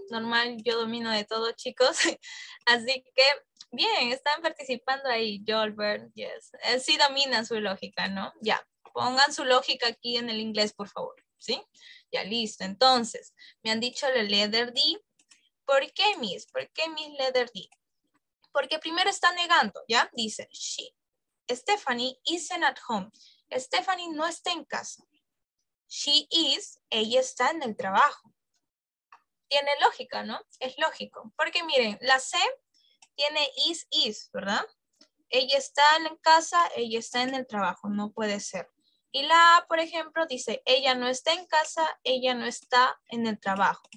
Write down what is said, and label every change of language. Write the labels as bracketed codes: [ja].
[es] Normal, yo domino de todo, chicos. Así que, bien, están participando ahí, Jolbert, yes. Sí dominan su lógica, ¿no? Ya, pongan su lógica aquí en el inglés, por favor, ¿sí? Ya, listo. Entonces, me han dicho la letter D. ¿Por qué, Miss? ¿Por qué, Miss, letter D? Porque primero está negando, ¿ya? [en] Dice, she, Stephanie isn't at home. [es] Stephanie no está en casa. [en] She is, [es] ella está en el trabajo. Tiene lógica, ¿no? Es lógico. Porque miren, la C tiene is, ¿verdad? Ella está en casa, ella está en el trabajo. No puede ser. Y la A, por ejemplo, dice, ella no está en casa, ella no está en el trabajo.